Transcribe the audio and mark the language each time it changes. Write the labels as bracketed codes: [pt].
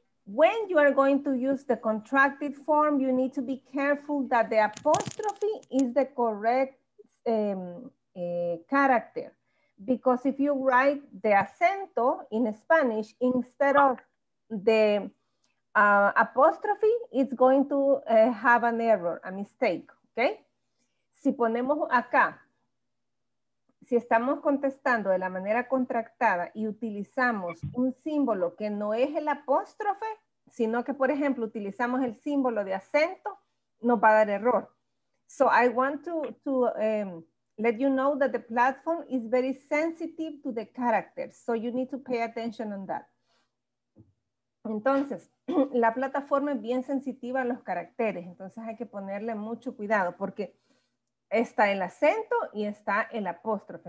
[en] When you are going to use the contracted form, you need to be careful that the apostrophe is the correct character. Because if you write the acento in Spanish instead of the apostrophe, it's going to have an error, a mistake, okay? [es] Si ponemos acá, si estamos contestando de la manera contractada y utilizamos un símbolo que no es el apóstrofe, sino que, por ejemplo, utilizamos el símbolo de acento, nos va a dar error. [en] So I want to let you know that the platform is very sensitive to the characters. So you need to pay attention on that. [es] Entonces, la plataforma es bien sensitiva a los caracteres. Entonces hay que ponerle mucho cuidado porque está el acento y está el apóstrofe.